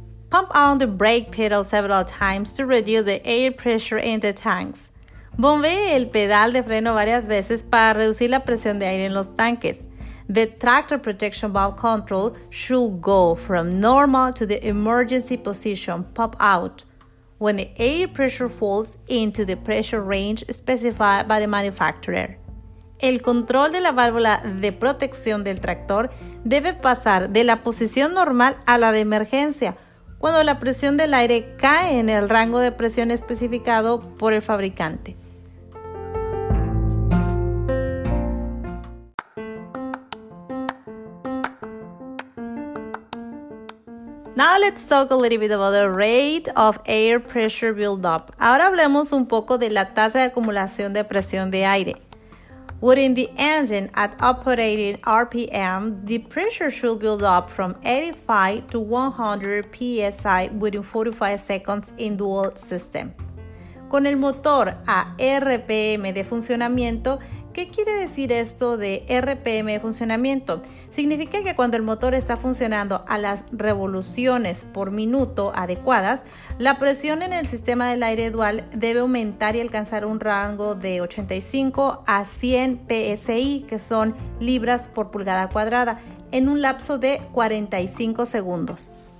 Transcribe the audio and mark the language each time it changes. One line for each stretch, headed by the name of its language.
English: Pump on the brake pedal several times to reduce the air pressure in the tanks.
Spanish: Bombee el pedal de freno varias veces para reducir la presión de aire en los tanques.
English: The tractor protection valve control should go from normal to the emergency position pop out when the air pressure falls into the pressure range specified by the manufacturer.
Spanish: El control de la válvula de protección del tractor debe pasar de la posición normal a la de emergencia, cuando la presión del aire cae en el rango de presión especificado por el fabricante.
English: Now let's talk a little bit about the rate of air pressure buildup.
Spanish: Ahora hablemos un poco de la tasa de acumulación de presión de aire.
English: Within the engine at operating RPM, the pressure should build up from 85 to 100 psi within 45 seconds in dual system.
Spanish: Con el motor a RPM de funcionamiento, ¿qué quiere decir esto de RPM de funcionamiento? Significa que cuando el motor está funcionando a las revoluciones por minuto adecuadas, la presión en el sistema del aire dual debe aumentar y alcanzar un rango de 85 a 100 psi, que son libras por pulgada cuadrada, en un lapso de 45 segundos.